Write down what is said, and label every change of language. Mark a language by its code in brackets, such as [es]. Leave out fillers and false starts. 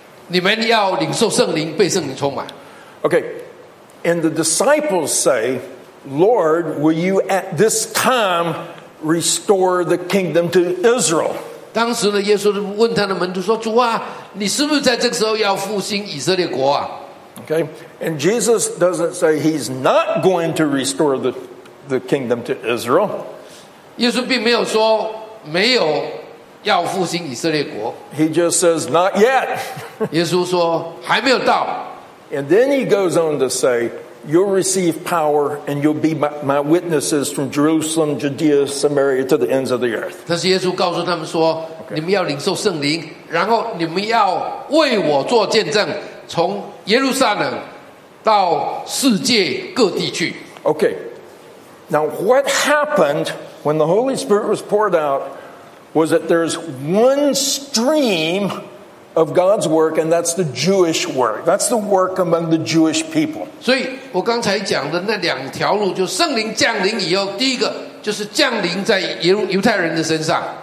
[zh] 第一个就是耶稣基督的应许，耶稣说：“你们要领受圣灵，被圣灵充满。”Okay, [en] and the disciples say, "Lord, will you at this time restore the kingdom to Israel?" [zh] 当时呢，耶稣问他的门徒说：“主啊，你是不是在这个时候要复兴以色列国啊？”Okay, [en] and Jesus doesn't say he's not going to restore the kingdom to Israel. [zh] 耶稣并没有说。没有要复兴以色列国。 [en] He just says, not yet. [zh] 耶稣说还没有到。 [en] And then he goes on to say, you'll receive power and you'll be my witnesses from Jerusalem, Judea, Samaria to the ends of the earth. [zh] 这是耶稣告诉他们说，你们要领受圣灵，然后你们要为我做见证，从耶路撒冷到世界各地去。 Okay. [en] Now what happened when the Holy Spirit was poured out was that there's one stream of God's work, and that's the Jewish work. That's the work among the Jewish people. [zh] 所以我刚才讲的那两条路，就圣灵降临以后，第一个就是降临在犹太人的身上。